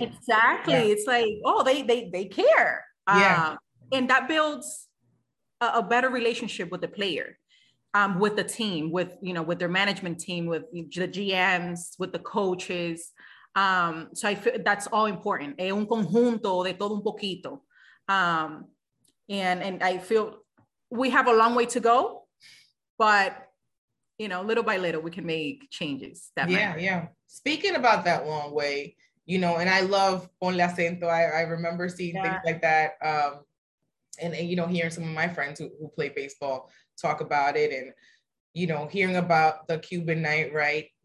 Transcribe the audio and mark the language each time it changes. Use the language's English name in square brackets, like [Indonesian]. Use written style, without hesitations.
[English] Exactly. Yeah. It's like, oh, they care. And that builds a better relationship with the player, with the team, with, you know, with their management team, with the GMs, with the coaches. So I feel that's all important. [Spanish] Es un conjunto de todo un poquito. [English] And I feel we have a long way to go, but, you know, little by little, we can make changes. Speaking about that long way, you know, and I love Ponle Acento. I remember seeing things like that. And you know, hearing some of my friends who play baseball talk about it and, you know, hearing about the Cuban night, right?